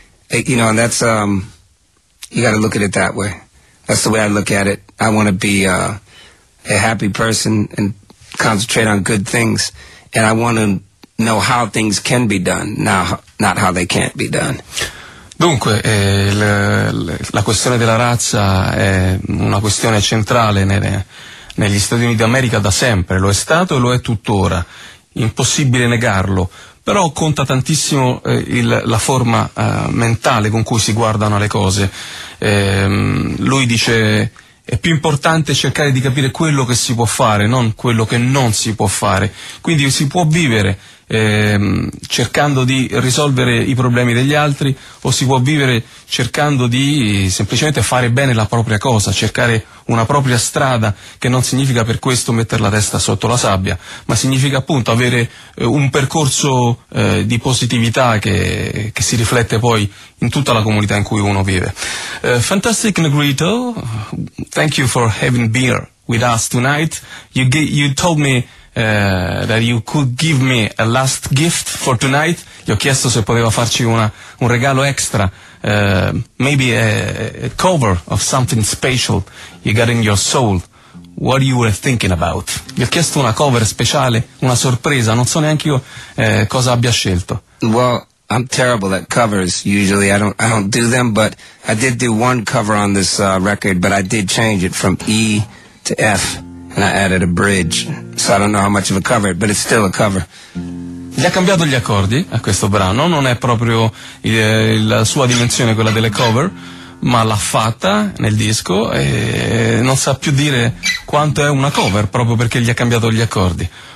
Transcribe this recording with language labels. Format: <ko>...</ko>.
<en>You got to look at it that way. That's the way I look at it. I want to be a happy person and concentrate on good things. And I want to know how things can be done, not how they can't be done.</en> <it>Dunque, la questione della razza è una questione centrale negli Stati Uniti d'America da sempre. Lo è stato e lo è tuttora. Impossibile negarlo. Però conta tantissimo la forma mentale con cui si guardano le cose. Lui dice è più importante cercare di capire quello che si può fare, non quello che non si può fare. Quindi si può vivere cercando di risolvere i problemi degli altri, o si può vivere cercando di semplicemente fare bene la propria cosa, cercare una propria strada, che non significa per questo mettere la testa sotto la sabbia, ma significa appunto avere un percorso di positività che si riflette poi in tutta la comunità in cui uno vive.</it> <en>Fantastic Negrito, thank you for having been with us tonight. You told me that you could give me a last gift for tonight.</en> <it>Gli ho chiesto se poteva farci un regalo extra,</it> <en>maybe a cover of something special you got in your soul. What you were thinking about?</en> <it>Gli ho chiesto una cover speciale, una sorpresa. Non so neanche io cosa abbia scelto.</it> <en>Well, I'm terrible at covers. Usually I don't do them, but I did do one cover on this record, but I did change it from E to F. And I added a bridge, so I don't know how much of a cover, but it's still a cover.</en> <it>Gli ha cambiato gli accordi a questo brano, non è proprio la sua dimensione quella delle cover, ma l'ha fatta nel disco e non sa più dire quanto è una cover, proprio perché gli ha cambiato gli accordi.</it>